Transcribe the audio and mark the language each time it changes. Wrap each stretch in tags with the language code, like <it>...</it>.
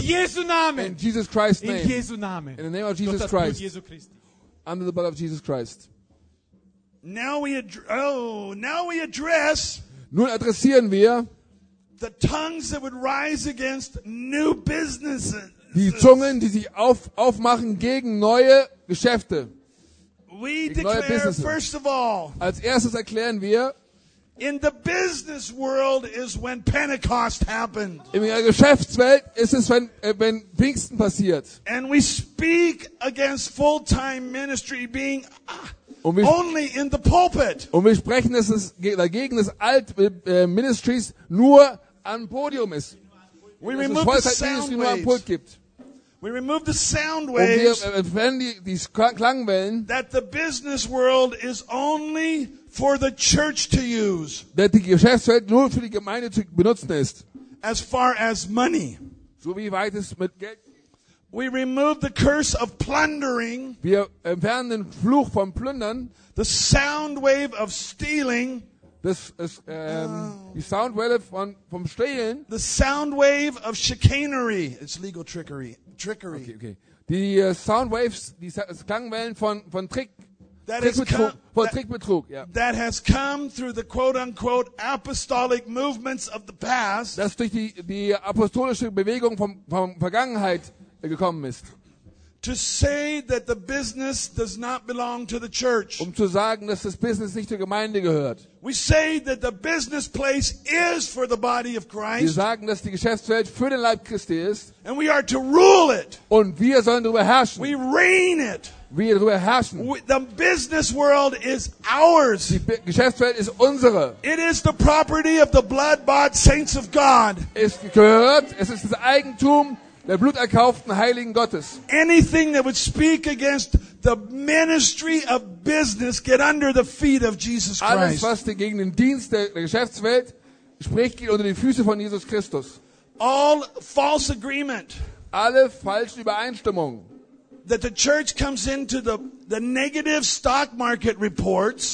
<de>In Jesu Namen.</de> <en>In Jesus Christ's name.</en> <de>In Jesu Namen.</de> <en>In the name of Jesus Christ.</en> <de>Jesu Christi.</de> <en>Under the blood of Jesus Christ. Now we address.</en> <de>Nun adressieren wir</de> <en>the tongues that would rise against new businesses.</en> <de>Die Zungen, die sich aufmachen gegen neue Geschäfte.</de> <en>We declare first of all.</en> <de>Als erstes erklären wir.</de> <en>In the business world is when Pentecost happened.</en> <de>In der Geschäftswelt ist es, wenn Pfingsten passiert.</de> <en>And we speak against full-time ministry being. Only in the pulpit.</en> <de>Und wir sprechen dagegen, dass Alt-Ministries nur am Podium ist.</de> <en>We remove the sound waves. We remove the sound waves.</en> <de>Und wir entfernen die Klangwellen.</de> <en>That the business world is only for the church to use.</en> <de>Dass die Geschäftswelt nur für die Gemeinde zu benutzen ist.</de> <en>As far as money.</en> <de>So wie weit es mit Geld.</de> <en>We remove the curse of plundering.</en> <de>Wir entfernen den Fluch vom Plündern.</de> <en>The sound wave of stealing.</en> <de>Die Soundwelle vom Stehlen.</de> <en>The sound wave of chicanery. It's legal trickery.</en> <de>Okay. Die Soundwaves, die Klangwellen von Trickbetrug.</de> <en>That has come through the quote-unquote apostolic movements of the past.</en> <de>Das durch die apostolische Bewegung vom Vergangenheit gekommen ist.</de> <en>To say that the business does not belong to the church.</en> <de>Um zu sagen, dass das Business nicht zur Gemeinde gehört.</de> <en>We say that the business place is for the body of Christ.</en> <de>Wir sagen, dass die Geschäftswelt für den Leib Christi ist.</de> <en>And we are to rule it.</en> <de>Und wir sollen darüber herrschen.</de> <en>We reign it.</en> <de>Wir darüber herrschen.</de> <en>The business world is ours.</en> <de>Die Geschäftswelt ist unsere.</de> <en>It is the property of the blood-bought saints of God.</en> <de>Es ist das Eigentum der bluterkauften Heiligen Gottes.</de> <en>Anything that would speak against the ministry of business, get under the feet of Jesus Christ.</en> <de>Alles, was gegen den Dienst der Geschäftswelt spricht, geht unter die Füße von Jesus Christus.</de> <en>All false agreement.</en> <de>Alle falschen Übereinstimmungen.</de> <en>That the church comes into the negative stock market reports.</en>